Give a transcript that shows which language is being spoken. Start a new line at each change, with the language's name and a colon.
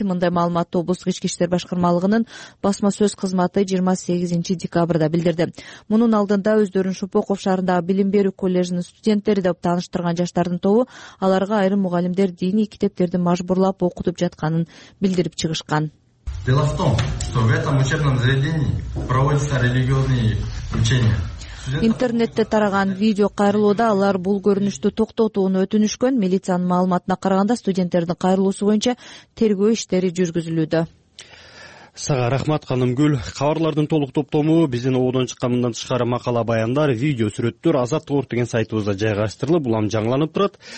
Kyrgyz: Мындай маалыматты облустук ички иштер башкармалыгынын басма сөз кызматы 28 декабрда билдирди. Мунун алдында өздөрүн Шопоков шаарындагы билим берүү коллежинин студенттери деп тааныштырган жаштардын тобу аларга айрым мугалимдер диний китептерди мажбурлап окутуп жатканын билдирип чыгышкан.
Russian: Дело в том, что в этом учебном заведении проводятся религиозные учения.
Kyrgyz: Интернетте тараган видео кайрылууда алар бул көрүнүштү токтотууну өтүнүшкөн. Милициянын маалыматына караганда студенттердин кайрылуусу боюнча тергөө иштери жүргүзүлүүдө. Сага рахмат Канымгүл. Кабарлардын толук топтому, биздин оодон чыккан мындан тышкары макала, баяндар, видео сүрөттөр Азаттык.ру деген сайтыбызда жайгаштырылып, улам жаңыланып турат.